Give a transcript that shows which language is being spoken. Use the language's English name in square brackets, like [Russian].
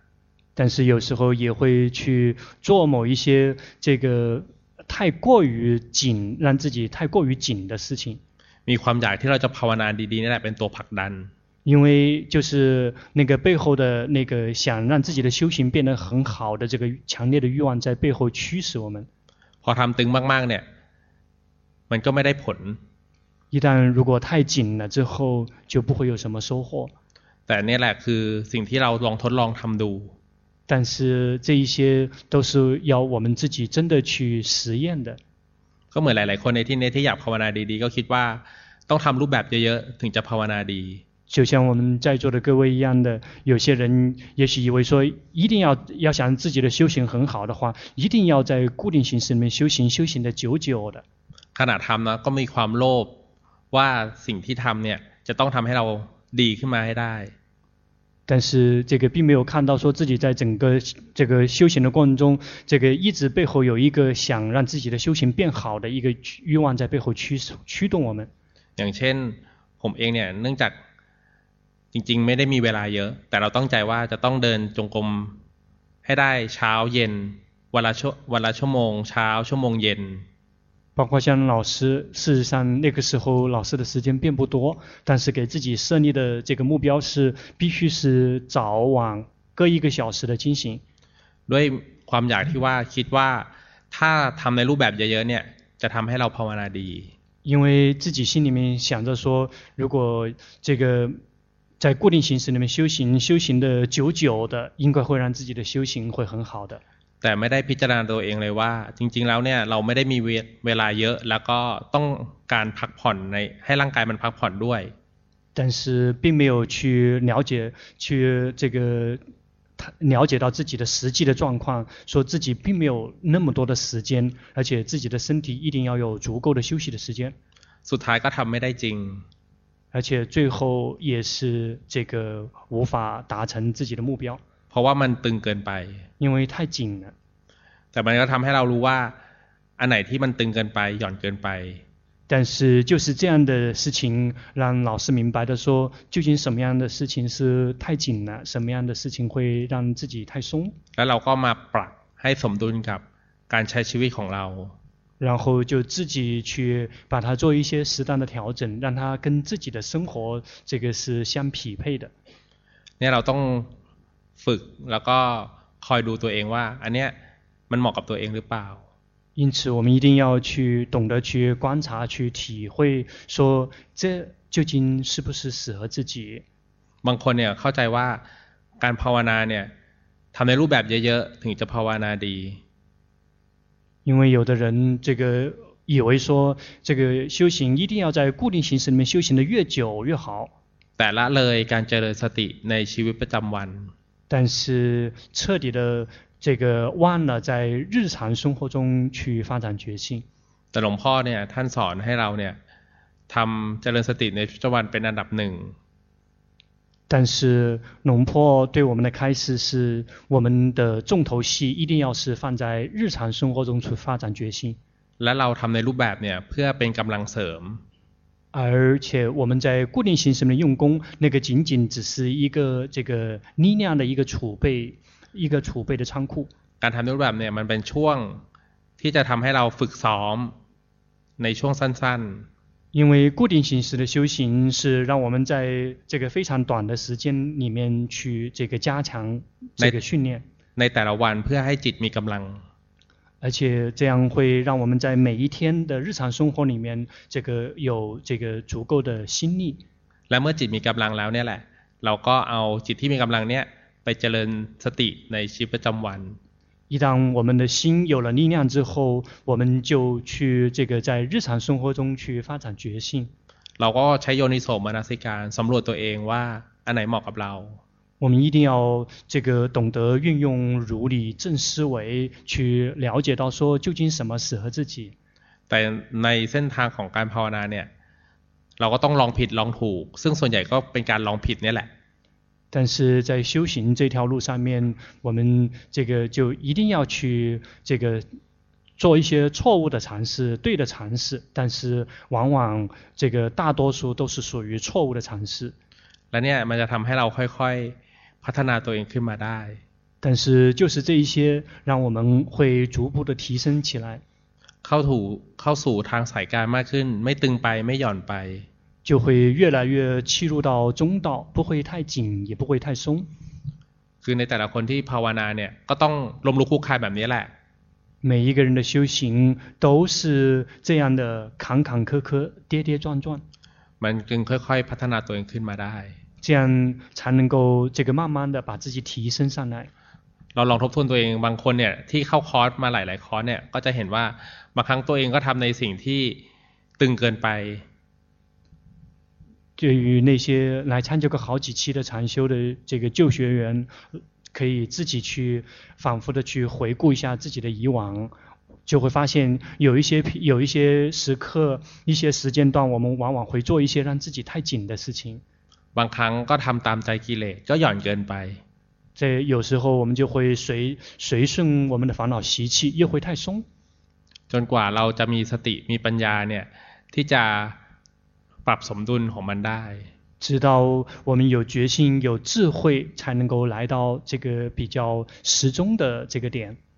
[Chinese] ๆ但是有时候也会去做某一些这个太过于紧让自己太过于紧的事情 [Thai] มีความอยากที่เราจะภาวนาดีๆนี่แหละเป็นตัวผลักดัน [Chinese] 因为就是那个背后的那个想让自己的修行变得很好的这个强烈的欲望在背后驱使我们 [Thai] พอทำตึงมากๆเนี่ยมันก็ไม่ได้ผล [Chinese] 一旦如果太紧了之后就不会有什么收获 [Thai] แต่นี่แหละคือสิ่งที่เราลองทดลองทำดู [Chinese] 但是这一些都是要我们自己真的去实验的 [Thai] ก็เหมือนหลายๆคนในที่นี้ที่อยากภาวนาดีๆก็คิดว่าต้องทำรูปแบบเยอะๆถึงจะภาวนาดี [Chinese] 就像我们在座的各位一样的有些人也许以为说一定要想自己的修行很好的话一定要在固定形式里面修行的久久的 [Thai] ขณะทำนะก็มีความโลภว่าสิ่งที่ทำเนี่ยจะต้องทำให้เราดีขึ้นมาให้ได้ [Chinese] 但是这个并没有看到说自己在整个这个修行的过程中这个一直背后有一个想让自己的修行变好的一个欲望在背后驱动我们 [Thai] อย่างเช่นผมเองเนี่ยเนื่องจากจริงๆไม่ได้มีเวลาเยอะแต่เราตั้งใจว่าจะต้องเดินจงกรมให้ได้เช้าเย็นวันละชั่วโมงเช้าชั่วโมงเย็น [Chinese] 包括像老师，事实上那个时候老师的时间并不多，但是给自己设立的这个目标是必须是早晚各一个小时的进行。 [Thai] ด้วยความอยากที่ว่าคิดว่าถ้าทำในรูปแบบเยอะๆเนี่ยจะทำให้เราภาวนาดี [Chinese] 因为自己心里面想着说，如果这个在固定形式里面修行的久久的，应该会让自己的修行会很好的。 [Thai] แต่ไม่ได้พิจารณาตัวเองเลยว่าจริงๆแล้วเนี่ยเราไม่ได้มีเวลาเยอะแล้วก็ต้องการพักผ่อนในให้ร่างกายมันพักผ่อนด้วย [Chinese] 但是并没有去了解去这个了解到自己的实际的状况说自己并没有那么多的时间而且自己的身体一定要有足够的休息的时间 [Thai] สุดท้ายก็ทำไม่ได้จริง [Chinese] 而且最后也是这个无法达成自己的目标 [Thai] เพราะว่ามันตึงเกินไป [Chinese] 因为太紧了 [Thai] แต่มันก็ทำให้เรารู้ว่าอันไหนที่มันตึงเกินไปหย่อนเกินไป [Chinese] 但是就是这样的事情让老师明白的说究竟什么样的事情是太紧了什么样的事情会让自己太松 [Thai] แล้วเราก็มาปรับให้สมดุลกับการใช้ชีวิตของเรา [Chinese] 然后就自己去把它做一些适当的调整让它跟自己的生活这个是相匹配的 [Thai] เนี่ยเราต้องฝึกแล้วก็คอยดูตัวเองว่าอันเนี้ยมันเหมาะกับตัวเองหรือเปล่า [Chinese] 因此我们一定要去懂得去观察去体会说这究竟是不是适合自己 [Thai] บางคนเนี่ยเข้าใจว่าการภาวนาเนี่ยทำในรูปแบบเยอะๆถึงจะภาวนาดี [Chinese] 因为有的人这个以为说这个修行一定要在固定形式里面修行的越久越好 [Thai] แต่ละเลยการเจริญสติในชีวิตประจำวัน [Chinese] 但是彻底的这个忘了在日常生活中去发展觉性 [Thai] แต่หลวงพ่อเนี่ยท่านสอนให้เราเนี่ยทำเจริญสติในประจำวันเป็นอันดับหนึ่ง [Chinese] 但是หลวงพ่อ对我们的开示是我们的重头戏一定要是放在日常生活中去发展觉性 [Thai] และเราทำในรูปแบบเนี่ยเพื่อเป็นกำลังเสริม [Chinese] 而且我们在固定形式的用功那个仅仅只是一个这个力量的一个储备的仓库 [Thai] การทำรูปแบบเนี่ยมันเป็นช่วงที่จะทำให้เราฝึกซ้อมในช่วงสั้น [Chinese] ๆ因为固定形式的修行是让我们在这个非常短的时间里面去这个加强这个训练 [Thai] ในแต่ละวันเพื่อให้จิตมีกำลัง [Chinese] 而且这样会让我们在每一天的日常生活里面这个有这个足够的心力 [Thai] และเมื่อจิตมีกำลังแล้วเนี่ยแหละเราก็เอาจิตที่มีกำลังเนี่ยไปเจริญสติในชีวิตประจำวัน [Chinese] 一旦我们的心有了力量之后我们就去这个在日常生活中去发展觉性 [Thai] เราก็ใช้โยนิโสมนสิการสำรวจตัวเองว่าอันไหนเหมาะกับเรา [Chinese] 我们一定要这个懂得运用如理正思维去了解到说究竟什么适合自己 [Thai] แต่ในเส้นทางของการภาวนาเนี่ยเราก็ต้องลองผิดลองถูกซึ่งส่วนใหญ่ก็เป็นการลองผิดนี่แหละ [Chinese] 但是在修行这条路上面我们这个就一定要去这个做一些错误的尝试对的尝试但是往往这个大多数都是属于错误的尝试 [Thai] แล้วเนี่ยมันจะทำให้เราค่อยๆพัฒนาตัวเองขึ้นมาได้ [Chinese] 但是就是这一些让我们会逐步的提升起来 [Thai] เข้าสู่ทางสายกลางมากขึ้นไม่ตึงไปไม่หย่อนไป [Chinese] 就会越来越契入到中道不会太紧也不会太松 [Thai] คือในแต่ละคนที่ภาวนาเนี่ยก็ต้องลมลุกคุกคายแบบนี้แหละ [Chinese] 每一个人的修行都是这样的坎坎坷坷跌跌撞撞 [Thai] มันจึงค่อยๆพัฒนาตัวเองขึ้นมาได้ [Chinese] 这样才能够这个慢慢的把自己提升上来 [Thai] เราลองทบทวนตัวเองบางคนเนี่ยที่เข้าคอร์สมาหลายๆคอร์สเนี่ยก็จะเห็นว่าบางครั้งตัวเองก็ทำในสิ่งที่ตึงเกินไป [Chinese] 对于那些来参加过好几期的禅修的这个旧学员可以自己去反复的去回顾一下自己的以往就会发现有一些时刻一些时间段我们往往会做一些让自己太紧的事情 [Thai] บางครั้งก็ทำตามใจกิเลสก็หย่อนเกินไป แต่ [Chinese] 有时候我们就会随顺我们的烦恼习气又会太松 [Thai] จนกว่าเราจะมีสติมีปัญญาเนี่ยที่จะปรับสมดุลของมันได้ [Chinese] 直到我们有决心有智慧才能够来到这个比较时钟的这个点